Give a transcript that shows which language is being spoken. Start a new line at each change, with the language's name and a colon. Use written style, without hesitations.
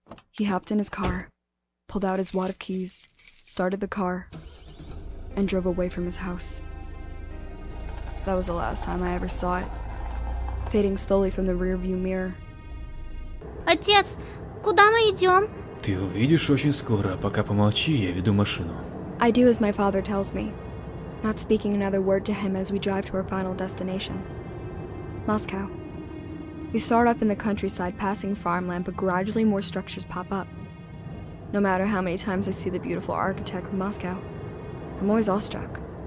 English: He hopped in his car, pulled out his wad of keys, started the car, and drove away from his house. That was the last time I ever saw it, fading slowly from the rearview mirror.
Russian: Отец, куда мы идем? Ты увидишь очень скоро, пока помолчи, я веду машину.
English: I do as my father tells me. not speaking another word to him as we drive to our final destination. Moscow. We start off in the countryside, passing farmland, but gradually more structures pop up. No matter how many times I see the beautiful architect of Moscow, I'm always awestruck.